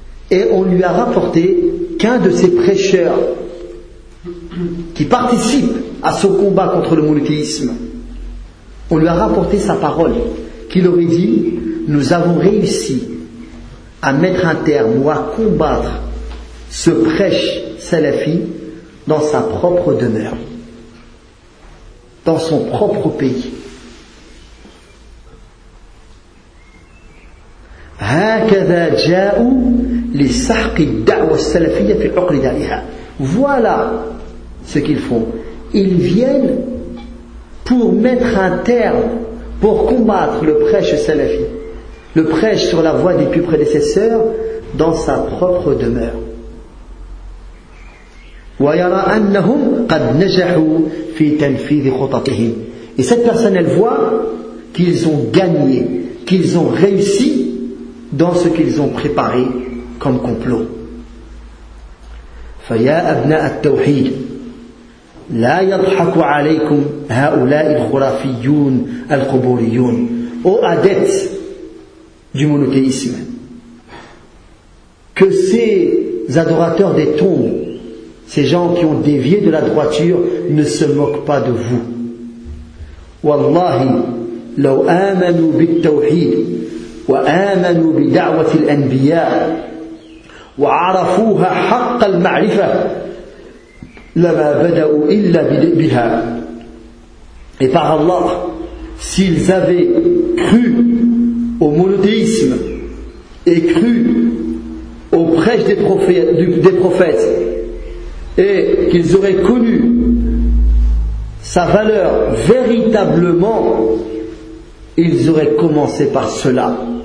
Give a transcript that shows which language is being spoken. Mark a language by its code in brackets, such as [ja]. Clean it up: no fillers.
[fr] Et on lui a rapporté qu'un de ses prêcheurs qui participe à ce combat contre le monothéisme, on lui a rapporté sa parole, qu'il aurait dit, nous avons réussi à mettre un terme ou à combattre ce prêche salafi dans sa propre demeure, dans son propre pays. [ar] هكذا جاءوا لسحق الدعوة السلفية في العقل دائها. [fr] Voilà ce qu'ils font. Ils viennent pour mettre un terme, pour combattre le prêche salafi, le prêche sur la voie des plus prédécesseurs dans sa propre demeure. [ar] ويرى أنهم قد نجحوا في تنفيذ خططهم. [fr] Et cette personne, elle voit qu'ils ont gagné, qu'ils ont réussi dans ce qu'ils ont préparé comme complot. [ar] فَيَا أَبْنَاءَ التَّوْحِيدِ لَا يَضْحَكُ عَلَيْكُمْ هَؤُلَاءِ الْخُرَافِيُّونَ الْقُبُورِيُّونَ. [fr] Ô adeptes du monothéisme, que ces adorateurs des tombes, ces gens qui ont dévié de la droiture, ne se moquent pas de vous. [ar] وَاللَّهِ لَوْ آمَنُوا بِالتَّوْحِيدِ وآمنوا بدعوة الأنبياء وعرفوها حق المعرفة لما بدأوا إلا بها. [fr] Et par Allah, s'ils avaient cru au monothéisme et cru au prêche des prophètes et qu'ils auraient connu sa valeur véritablement, ils auraient commencé par cela.